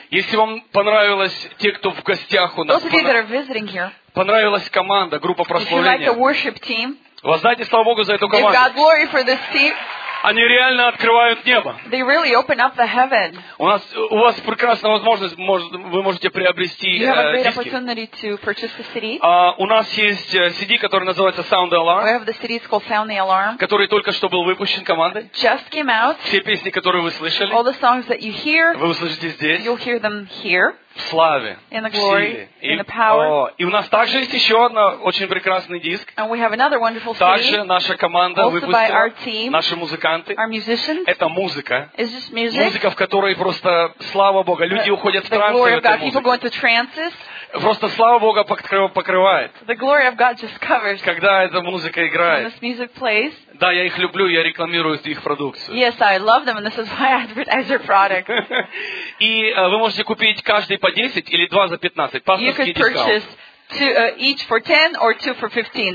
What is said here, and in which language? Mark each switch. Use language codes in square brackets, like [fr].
[ru] Если вам понравилось, те, кто в гостях у нас, понравилась команда, группа прославления, [en] if you like the worship team, [ru] воздайте слава Богу за эту команду. [en] Give God glory for this team. [ru] Они реально открывают небо. [en] They really open up the heaven. [ru] У вас прекрасная возможность, вы можете приобрести диски. [en] You have a great opportunity to purchase the CD. [ru] У нас есть CD, который называется Sound Alarm. [en] We have the CD, it's called Sound the Alarm. [ru] Который только что был выпущен командой. [en] Just came out. [ru] Все песни, которые вы слышали. [en] All the songs that you hear. [ru] Вы услышите здесь. [en] You'll hear them here. [ru] В славе, [en] in the glory, [ru] в силе. [en] In the power. [ru] И у нас также есть еще одна очень прекрасный диск. [en] And we have another wonderful CD. [ru] Также наша команда [en] also [ru] выпустила, [en] by our team, [ru] наши музыканты. [en] Our musicians. [ru] Это музыка. [en] It's just music. [ru] Музыка, в которой просто, слава Богу, люди уходят в транс. [en] The glory of God. People go into trances. [ru] Просто слава Богу покрывает. [en] The glory of God just covers. [ru] Когда эта музыка играет. [en] When this music plays. [ru] Да, я их люблю, я рекламирую их продукцию. [en] Yes, I love them, and this is why I advertise their product. [ru] И вы можете купить каждый по 10 или 2 за 15. [en] Pastor's you could purchase two, each for 10 or two for 15.